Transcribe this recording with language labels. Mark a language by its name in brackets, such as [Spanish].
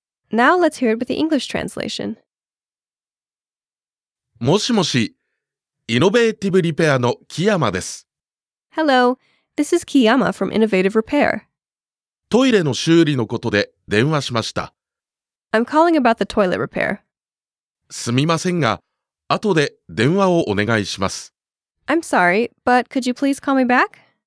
[English] Now let's hear it with the English translation. [Japanese] もしもし、イノベーティブリペアの木山です。 [English] Hello, this is Kiyama from Innovative Repair. [Japanese] トイレの修理のことで電話しました。 [English] I'm calling about the toilet repair. [Japanese] すみませんが、後で電話をお願いします。 [English] I'm sorry, but could you please call me back?